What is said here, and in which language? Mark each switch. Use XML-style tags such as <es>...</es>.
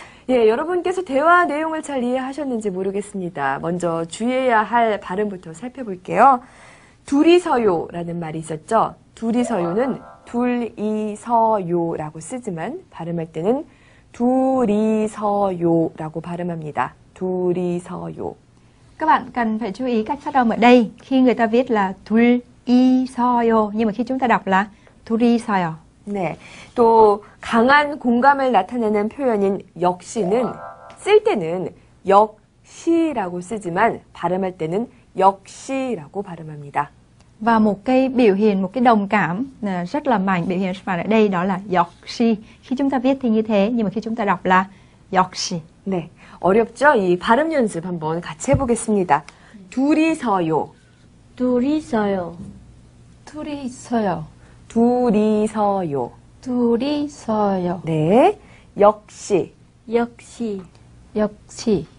<ko>예, 여러분께서 대화 내용을 잘 이해하셨는지 모르겠습니다. 먼저 주의해야 할 발음부터 살펴볼게요. 둘이서요라는 말이 있었죠. 둘이서요는 둘이서요라고 쓰지만 발음할 때는 둘이서요라고 발음합니다. 둘이서요.</ko> <vi>Các bạn cần phải chú ý cách phát âm ở đây. Khi người ta viết là 둘이서요, nhưng mà khi chúng ta đọc là 둘이서요.</vi> <ko>네. 또 강한 공감을 나타내는 표현인 역시는 쓸 때는 역시라고 쓰지만 발음할 때는 역시라고 발음합니다.</ko> <vi>và một cái biểu hiện, một cái đồng cảm rất là mạnh, biểu hiện rất mạnh ở đây đó là 역시. Khi chúng ta viết thì như thế, nhưng mà khi chúng ta đọc là 역시.</vi> <ko>네, 어렵죠? 이 발음 연습 한번 같이 해보겠습니다. 둘이서요. 둘이서요. 둘이서요. 둘이서요. 둘이서요. 네, 역시. 역시. 역시.</ko>